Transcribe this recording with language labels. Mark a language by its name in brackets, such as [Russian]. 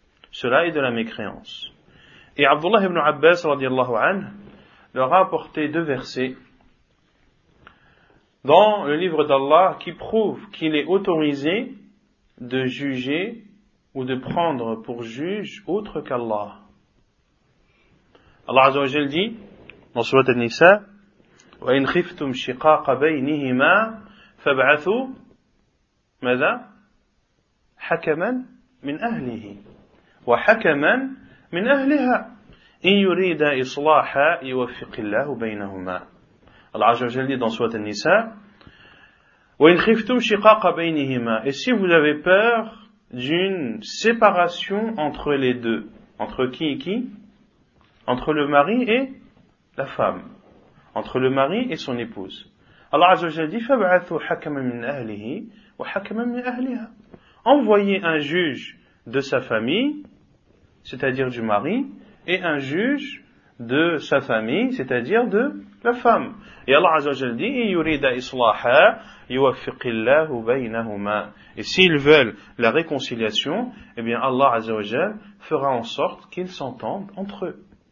[French] Cela est de la mécréance. Et Abdullah ibn Abbas, radiyallahu anhu, leur a apporté 2 versets dans le livre d'Allah qui prouve qu'il est autorisé de juger ou de prendre pour juge autre qu'Allah. Allah Azza wa Jalla dit dans sourate An-Nisa, [Arabic] وَإِنْ خِفْتُمْ شِقَاقَ بَيْنِهِمَا فَبْعَثُوا مَذَا حَكَمًا مِنْ أَهْلِهِ وَحَكَمًا مِنْ أَهْلِهَا إِنْ يُرِيدَ إِصْلَاحًا يُوَفِّقِ اللَّهُ بَيْنَهُمَا. [French] Allah Azza wa Jalla dit dans sourate An-Nisa, [Arabic] وَإِنْ خِفْتُمْ شِقَاقَ بَيْنِهِمَا. [French] Et si vous avez peur d'une séparation entre les deux, entre qui et qui? Entre le mari et la femme. Entre le mari et son épouse. Allah Azza wa Jalla dit, [Arabic] فَبْعَثُوا حَكَمًا مِنْ أَهْلِهِ وَحَكَمًا مِنْ أَهْلِهَا. [French] Envoyez un juge de sa famille, c'est-à-dire du mari, et un juge de sa famille, c'est-à-dire de la femme. Et Allah Azza wa Jalla dit, [Arabic] يُرِيدَ إِصْلَاحَا يُوَفِّقِ اللَّهُ بَيْنَهُمَا. [French] Et s'ils veulent la réconciliation, eh bien Allah Azza wa Jalla fera en sorte qu'ils s'entendent entre eux.